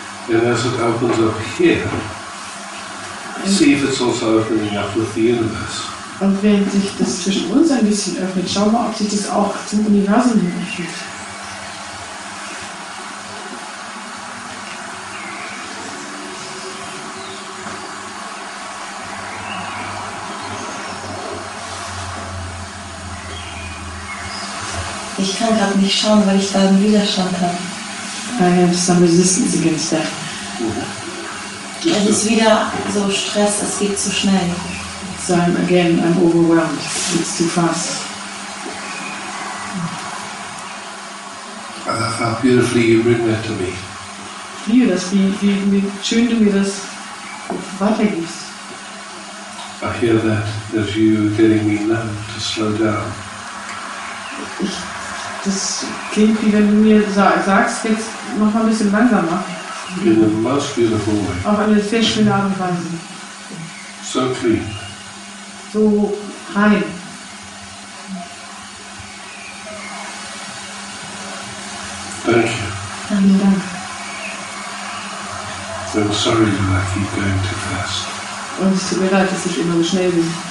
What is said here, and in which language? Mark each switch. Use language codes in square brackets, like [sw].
[en] And as it opens up here, see if it's also opening up with the universe. [de] Und wenn sich das zwischen uns ein bisschen öffnet, schau mal, ob sich das auch zum Universum hin öffnet. Ich kann gerade nicht schauen, weil ich da einen Widerstand habe. [en] I have some resistance against that. [de] Es ist wieder so Stress, es geht zu schnell. [en] So I'm overwhelmed. It's too fast. How beautifully you bring that to me. [de] Wie schön du mir das weitergibst. [en] I hear that you getting me now to slow down. [de] Das klingt, wie wenn du mir sagst, jetzt mach mal ein bisschen langsamer. [en] In a most beautiful way. [de] Auf eine sehr schöne Art und Weise. [en] So clean. [de] So rein. [en] Thank you. [de] Vielen Dank. [en] I'm sorry that I keep going too fast. [de] Und es tut mir leid, dass ich immer so schnell bin.